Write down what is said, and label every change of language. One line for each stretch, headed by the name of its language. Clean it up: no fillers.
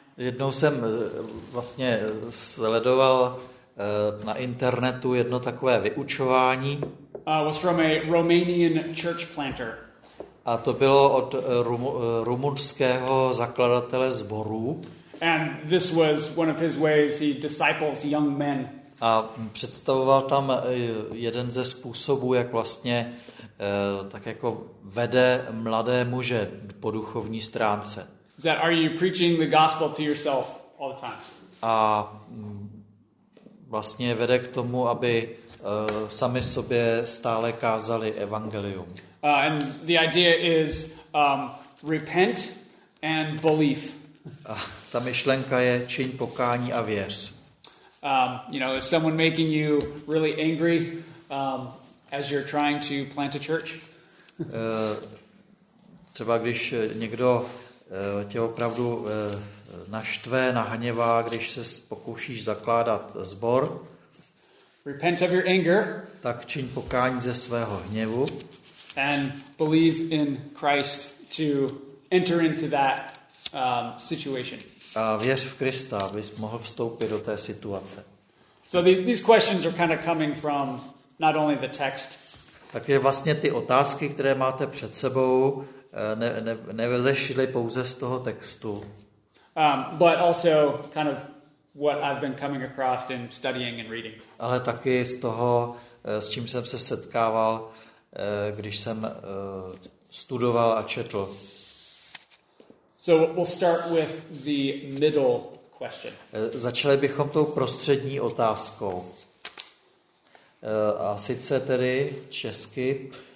Czech: Jednou jsem vlastně sledoval na internetu jedno takové vyučování.
English: Was from a Romanian church planter.
Czech: A to bylo od rumunského zakladatele sboru.
English: And this was one of his ways he disciples young men.
Czech: A představoval tam jeden ze způsobů, jak vlastně tak jako vede mladé muže po duchovní stránce.
English: That are you preaching the gospel to yourself all the time?
Czech: A vlastně vede k tomu, aby sami sobě stále kázali evangelium.
English: And the idea is repent and believe.
Czech: Ta myšlenka je čin pokání a věř.
English: Is someone making you really angry as you're trying to plant a church?
Czech: Třeba když někdo tě opravdu naštve, nahněvá, když se pokoušíš zakládat sbor.
English: Repent of your anger.
Czech: Tak čin pokání ze svého hněvu.
English: And believe in Christ to enter into that situation.
Czech: A věř v Krista, abys mohl vstoupit do té situace.
English: So these questions are kind of coming from not only the text.
Czech: Takže vlastně ty otázky, které máte před sebou, nevzešly pouze z toho textu.
English: But also kind of what I've been coming across in studying and reading.
Czech: Ale taky z toho, s čím jsem se setkával, když jsem studoval a četl.
English: So we'll start with the middle question.
Czech: Začali bychom tou prostřední otázkou. A sice tedy česky.